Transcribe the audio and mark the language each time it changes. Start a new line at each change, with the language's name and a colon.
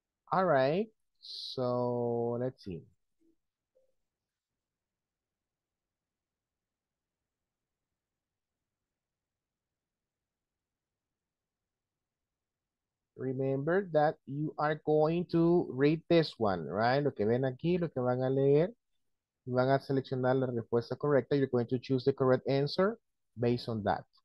English: All right, so let's see. Remember that you are going to read this one, right?
Spanish: Lo que ven aquí, lo que van a leer, van a seleccionar la respuesta correcta.
English: You're going to choose the correct answer based on that.